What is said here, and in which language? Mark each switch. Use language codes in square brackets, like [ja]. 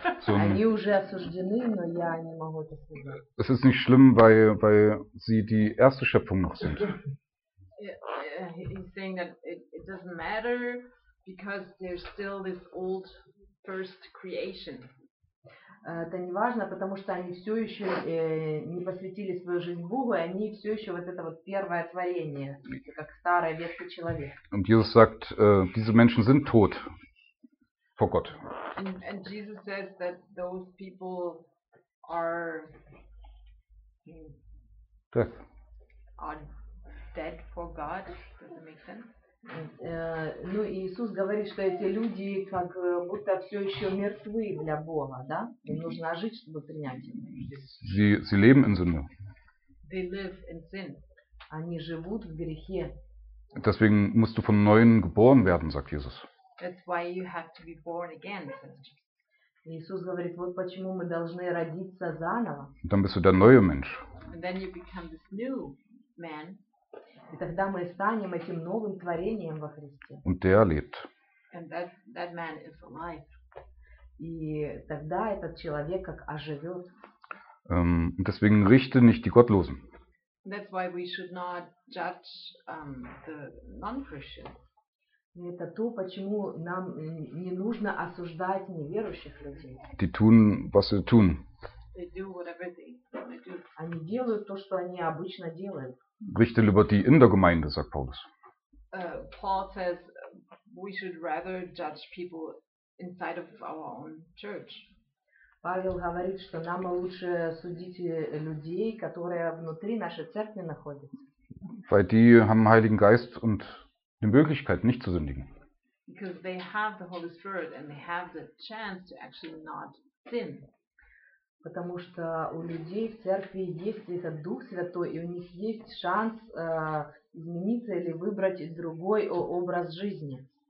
[ru] So, они уже осуждены, но я не могу это сказать. [de] Es ist nicht schlimm, weil sie die erste Schöpfung noch sind. [en] He's saying that it doesn't matter because there's still this old first creation. [ru] Это не важно, потому что они все еще не посвятили свою жизнь Богу, и они все еще вот это вот первое творение, как старая ветка человека. [de] Und Jesus sagt, diese Menschen sind tot. Vor Gott. [en] And Jesus says that those people are death. Are dead for God. Does that make sense? [ru] Ну, Иисус говорит, что эти люди как будто все еще мертвы для Бога, да? Им нужно жить, чтобы принять его. [de] Sie leben in Sünde. [en] They live in sin. [ru] Они живут в грехе. [de] Deswegen musst du von Neuem geboren werden, sagt Jesus. [en] That's why you have to be born again. [ru] Иисус говорит, вот почему мы должны родиться заново. [de] Dann bist du der neue Mensch. [en] And then you become this new man. [ru] И тогда мы станем этим новым творением во Христе. [de] Und der lebt. [en] And that man is alive. [ru] И тогда этот человек как оживет. [de] Deswegen richte nicht die Gottlosen. [en] That's why we should not judge the non-Christians. [ru] Это то, почему нам не нужно осуждать неверующих людей. [de] Die tun, was sie tun. [en] They do whatever they do. [ru] Они делают то, что они обычно делают. [de] Richte lieber die in der Gemeinde, sagt Paulus. [en] Paul says, we should rather judge people inside of our own church. [ru] Павел говорит, что нам лучше судить людей, которые внутри нашей церкви находятся. [de] Weil die haben Heiligen Geist und die Möglichkeit, nicht zu sündigen. [en] Because they have the Holy Spirit and they have the chance to actually not sin. [ru] Потому что у людей в церкви есть этот Дух Святой, и у них есть шанс измениться или выбрать другой образ жизни.